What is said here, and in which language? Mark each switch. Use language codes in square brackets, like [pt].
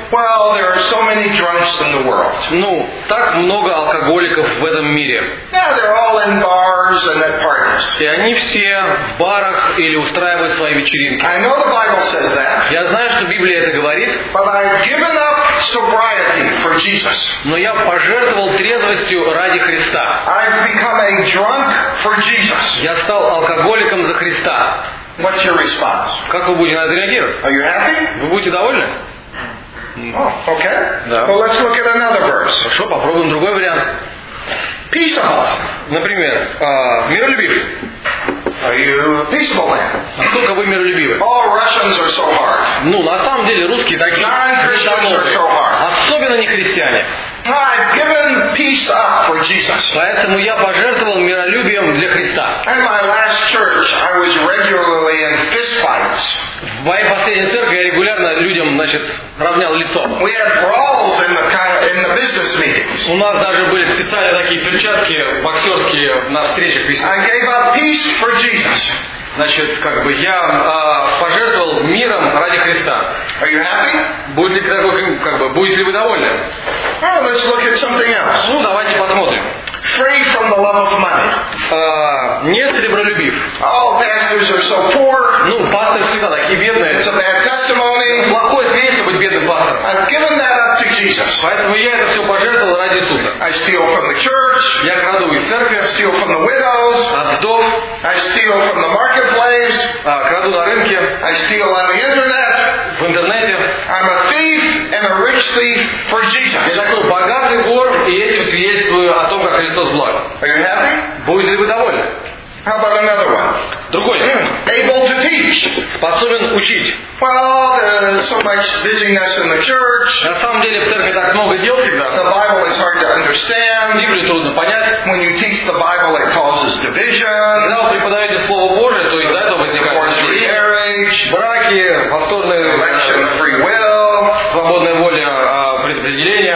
[en] well, there are so many drunks in the world. [ru] Ну, так много алкоголиков в этом мире. [en] Yeah, they're all in bars and at parties. [ru] И они все в барах или устраивают свои вечеринки. [en] I know the Bible says that. [ru] Я знаю, что Библия это говорит. [en] But I've given up sobriety for Jesus. [ru] Но я пожертвовал трезвостью ради Христа. [en] I've become a drunk for Jesus. [ru] Я стал алкоголиком за Христа. [en] What's your response? [ru] Как вы будете на это реагировать? [en] Are you happy? [ru] Вы будете довольны? [en] Oh, okay. [ru] Да. [en] Well, let's look at another verse. [ru] Хорошо, попробуем другой вариант. [en] Peaceable. [ru] Например, миролюбив. [en] Are you peaceful man? [ru] Насколько вы миролюбивы? [en] All Russians are so hard. [ru] Ну, на самом деле, русские такие. [en] Non-Christians are so hard. [ru] Особенно не христиане. [en] I've given peace up for Jesus. [ru] Поэтому я пожертвовал миролюбием для Христа. [en] In my last church, I was regularly in fist fights. [ru] В моей последней церкви я регулярно людям, значит, равнял лицо. [en] We had brawls in the business meetings. [ru] У нас даже были специальные такие перчатки боксерские на встречах. [en] I gave up peace for Jesus. [ru] Значит, как бы я пожертвовал миром ради Христа. [en] Are you happy? [ru] Будете ли вы довольны? [en] Well, let's look at something else. [ru] Ну, давайте посмотрим. [en] Free from the love of money. [ru] Не сребролюбив. [en] All pastors are so poor. [ru] Ну, пасторы всегда такие бедные. [en] It's a bad testimony. [ru] Плохое свидетельство быть бедным пастором. [en] I've given that up to Jesus. [ru] Поэтому я это все пожертвовал ради Иисуса. [en] I steal from the church. [ru] Я краду из церкви. [en] I steal from the widows. [ru] От вдов. [en] I steal from the marketplace. [ru] Краду на рынке. [en] I steal on the internet. [ru] В интернете. [en] I'm a thief and a rich thief for Jesus. [ru] Я такой богатый вор, и этим свидетельствую о том, как Христос благ. [en] Are you happy? [ru] Будете ли вы довольны? [en] How about another one? [ru] Другой. [en] Able to teach. [ru] способен учить. [en] Well, so much busyness in the church. [ru] На самом деле в церкви так много дел всегда. [en] The Bible is hard to understand. [ru] Библию трудно понять. [en] When you teach the Bible, it causes division. [ru] Когда вы преподаете Слово Божие, то из-за этого возникает ревность. Браки, повторные [en] election of free will. [ru] Свободная воля предопределения.